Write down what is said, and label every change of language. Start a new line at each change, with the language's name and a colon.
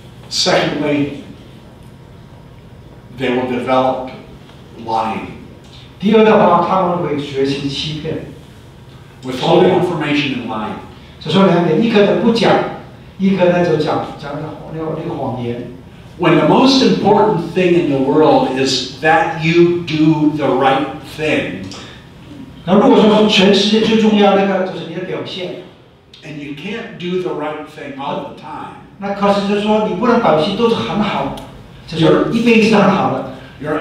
English: Secondly, they will develop lying.
Chinese: 第二的话，他们会学习欺骗。
English: Withholding information and lying.
Chinese: 就说两点，一个呢不讲，一个呢就讲那个谎言。
English: When the most important thing in the world is that you do the right thing.
Chinese: 那如果说全世界最重要那个就是你的表现。
English: And you can't do the right thing all the time.
Chinese: 那可是就是说你不能表现都是很好，就是一辈子很好的。You're